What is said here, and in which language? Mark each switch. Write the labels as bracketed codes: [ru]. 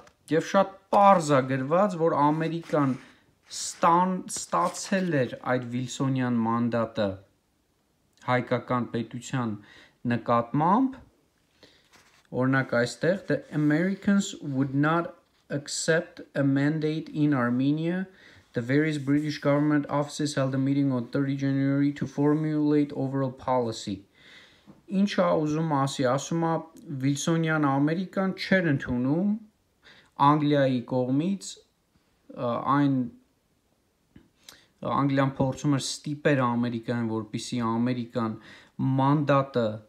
[hy] եւ շատ պարզ է գրված, որ Ամերիկան ստացել էր այդ Վիլսոնյան մանդատը հայկական պետության նկատմամբ, օրինակ այստեղ, [en] the Americans would not accept a mandate in Armenia. The various British government offices held a meeting on 30 January to formulate overall policy. [hy] Ինչ ա ուզում ասի, ասում ա Վիլսոնյան Ամերիկան չեր ընդունում Անգլիայի կողմից այն, Անգլիան փորձում էր ստիպեր Ամերիկային, որպեսզի Ամերիկան մանդատը